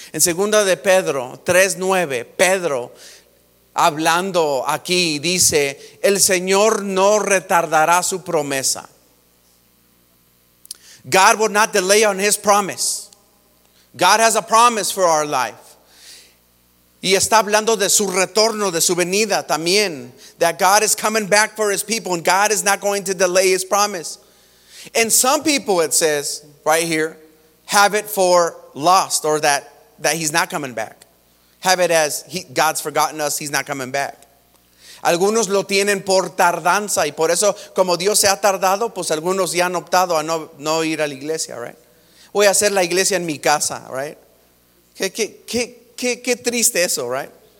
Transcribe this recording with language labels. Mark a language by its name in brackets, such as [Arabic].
[Spanish] En segunda de Pedro 3:9, Pedro hablando aquí dice: el Señor no retardará su promesa. [English] God will not delay on his promise. God has a promise for our life. [Spanish] Y está hablando de su retorno, de su venida también. [English] That God is coming back for his people, and God is not going to delay his promise. And some people, it says right here, have it for lost, or that he's not coming back. Have it as God's forgotten us, he's not coming back. [Spanish] Algunos lo tienen por tardanza, y por eso, como Dios se ha tardado, pues algunos ya han optado a no ir a la iglesia, right? Voy a hacer la iglesia en mi casa, right? Qué triste eso, right?